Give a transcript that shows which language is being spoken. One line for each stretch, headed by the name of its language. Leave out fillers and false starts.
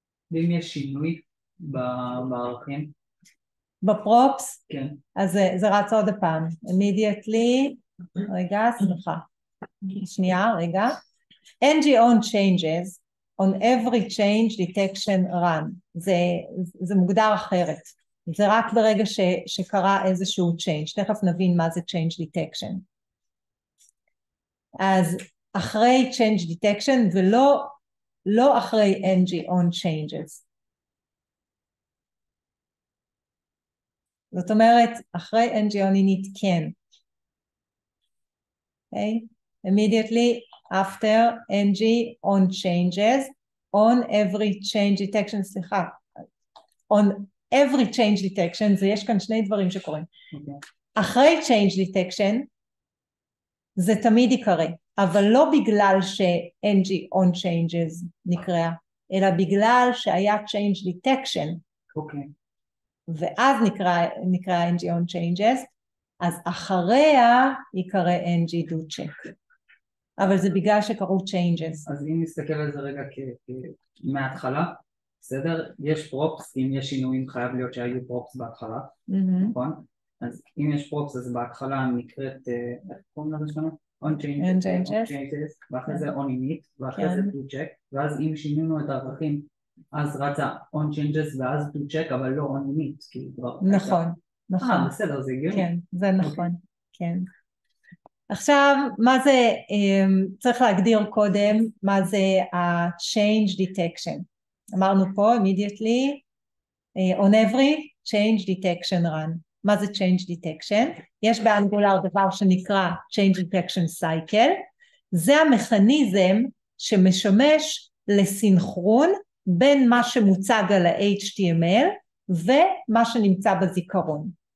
Hebrew: ואם יש שינוי בערכים? בפרופס? כן. אז זה רץ עוד הפעם. immediately, רגע, סליחה. שנייה, רגע.
English: NG on changes on every change detection run.
Hebrew: זה מוגדר אחרת. זה רק ברגע שקרה איזשהו change. תכף נבין מה זה change detection. אז אחרי change detection ולא... לא אחרי NG on changes. זאת אומרת, אחרי NG on init כן.
English: Okay? Immediately after NG on changes, on every change detection, סליחה, on every change detection, זה יש כאן שני דברים שקורים.
Hebrew: אחרי change detection, זה תמיד יקרה. אבל לא בגלל ש-NG on changes נקרא, אלא בגלל שהיה change detection. אוקיי. ואז נקרא NG on changes, אז אחריה יקרא NG do check. אבל זה בגלל שקרו changes. אז אם נסתכל על זה רגע מההתחלה, בסדר? יש props, אם יש שינויים חייב להיות שהיו props בהתחלה, נכון? אז אם יש props אז בהתחלה נקראת, איך קוראים לזה שלנו? on changes, ואחרי זה on init, ואחרי זה do check, ואז אם שינינו את הערכים, אז רצה on changes ואז do check, אבל לא on init, כי כבר... נכון, נכון. בסדר, זה הגיוני. כן, זה נכון, כן. עכשיו, מה זה, צריך להגדיר קודם, מה זה ה-change detection.
English: אמרנו פה, immediately, on every change detection run.
Hebrew: מה זה change detection? יש באנגולר דבר שנקרא change detection cycle. זה המכניזם שמשמש לסינכרון בין מה שמוצג על ה-HTML ומה שנמצא בזיכרון.